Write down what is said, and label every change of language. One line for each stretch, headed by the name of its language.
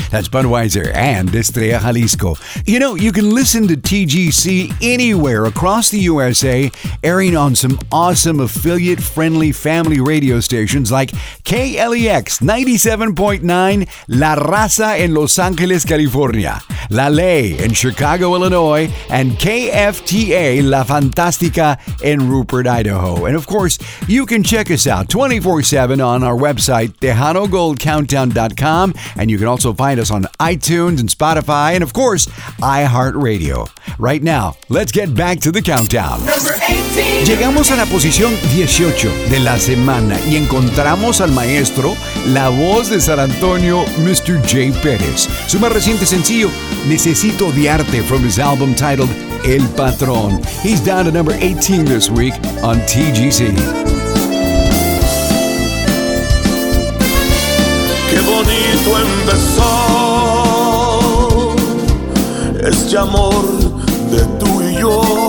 English: That's Budweiser and Estrella Jalisco. You know, you can listen to TGC anywhere across the USA, airing on some awesome affiliate-friendly family radio stations like KLEX 97.9, La Raza in Los Angeles, California, La Ley in Chicago, Illinois, and KFTA La Fantastica in Rupert, Idaho. And of course, you can check us out 24/7 on our website, TejanoGoldCountdown.com, and you can also find us on iTunes and Spotify, and of course, iHeartRadio. Right now, let's get back to the countdown.
Spanish: Llegamos a la posición 18 de la semana y encontramos al maestro, la voz de San Antonio, Mr. Jay Perez. Su más reciente sencillo, Necesito Odiarte,
English: from his album titled
Spanish: El Patrón.
English: He's down to number 18 this week on TGC.
Spanish: Qué bonito empezó este amor de tú y yo.